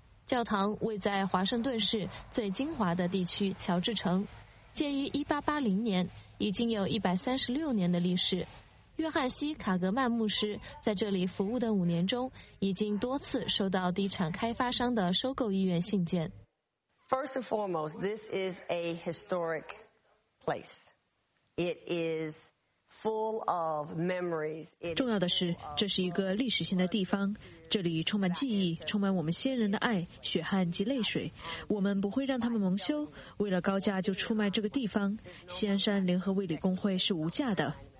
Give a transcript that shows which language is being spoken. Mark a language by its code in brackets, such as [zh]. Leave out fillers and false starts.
[zh] 教堂位在华盛顿市最精华的地区乔治城，建于1880年，已经有136年的历史。约翰西·卡格曼牧师在这里服务的5年中，已经多次收到地产开发商的收购意愿信件。 [en] First and foremost, this is a historic place. It is full of memories. [zh] 重要的是，这是一个历史性的地方，这里充满记忆，充满我们先人的爱、血汗及泪水。我们不会让他们蒙羞，为了高价就出卖这个地方。锡安山联合卫理公会是无价的。